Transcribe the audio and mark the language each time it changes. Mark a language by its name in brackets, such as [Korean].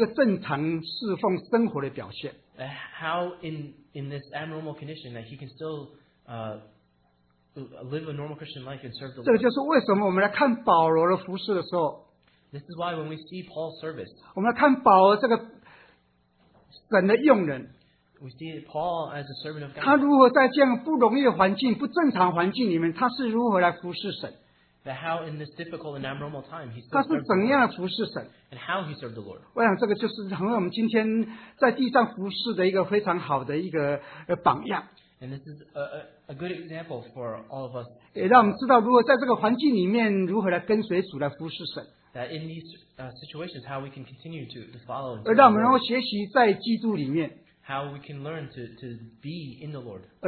[Chinese] 他是如何在这个不正常的里面有一个正常侍奉生活的表现? [English] How in this abnormal condition that he can still live a normal Christian life and serve the Lord? [Chinese] 这个就是为什么我们来看保罗的服事的时候, [English] This is why when we see Paul's service, [Chinese] 我们来看保罗这个神的用人, [English] We see Paul as a servant of God. [Chinese] 他如何在这样不容易的环境,不正常环境里面,他是如何来服事神? [English] That how in this difficult and abnormal time he served the Lord, and how he served the Lord. [Chinese] 我想这个就是成为我们今天在地上服事的一个非常好的一个榜样。 [English] And this is a good example for all of us. [Chinese] 也让我们知道如何在这个环境里面如何来跟随主来服事神。 [English] That in these situations how we can continue to follow. [Chinese] 而让我们能够学习在基督里面。 [English] How we can learn to be in the Lord.